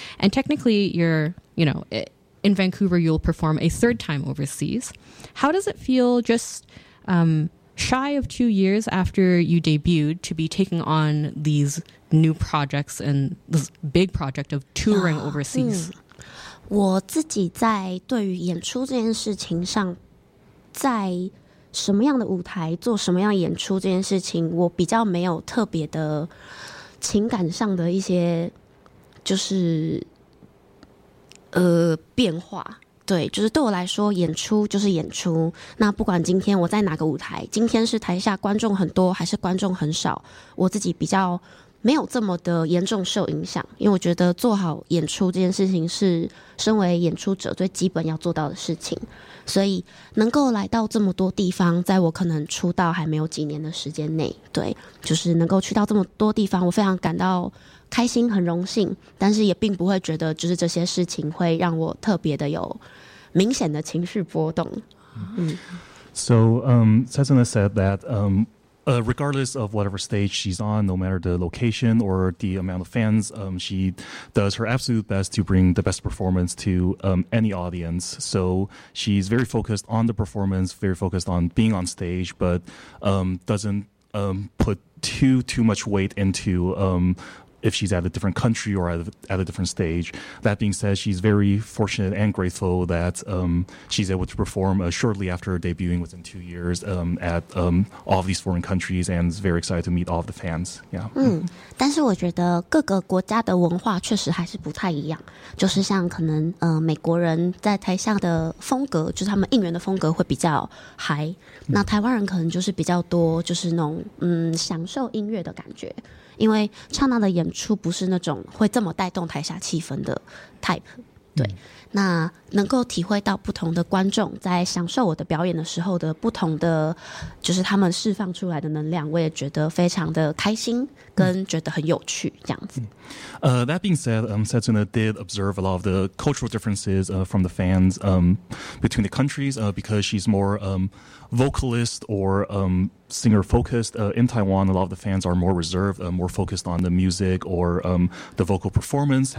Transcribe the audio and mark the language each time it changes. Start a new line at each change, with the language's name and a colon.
English: And technically, you're, you know, in Vancouver, you'll perform a third time overseas. How does it feel just shy of 2 years after you debuted to be taking on these new projects and this big project of touring overseas?
Chinese: 我自己在对于演出这件事情上，在什么样的舞台做什么样演出这件事情，我比较没有特别的情感上的一些就是变化。对，就是对我来说，演出就是演出。那不管今天我在哪个舞台，今天是台下观众很多还是观众很少，我自己比较没有这么的严重受影响，因为我觉得做好演出这件事情是身为演出者最基本要做到的事情，所以能够来到这么多地方，在我可能出道还没有几年的时间内，对，就是能够去到这么多地方，我非常感到开心，很荣幸，但是也并不会觉得就是这些事情会让我特别的有明显的情绪波动。
English: So, Cezanne said that regardless of whatever stage she's on, no matter the location or the amount of fans, she does her absolute best to bring the best performance to any audience. So she's very focused on the performance, very focused on being on stage, but doesn't put too much weight into if she's at a different country or at a different stage. That being said, she's very fortunate and grateful that she's able to perform shortly after debuting within 2 years at all of these foreign countries and is very excited to meet all of the fans. Yeah.
Chinese: 但是我觉得各个国家的文化确实还是不太一样，就是像可能美国人在台下的风格，就是他们应援的风格会比较嗨，那台湾人可能就是比较多就是那种享受音乐的感觉。因为刹那的演出不是那种会这么带动台下气氛的 type， 对，那能够体会到不同的观众在享受我的表演的时候的不同的，就是他们释放出来的能量，我也觉得非常的开心，跟觉得很有趣这样子。
English: That being said, Cezanne did observe a lot of the cultural differences from the fans between the countries because she's more vocalist or singer focused. In Taiwan, a lot of the fans are more reserved, more focused on the music or the vocal performance.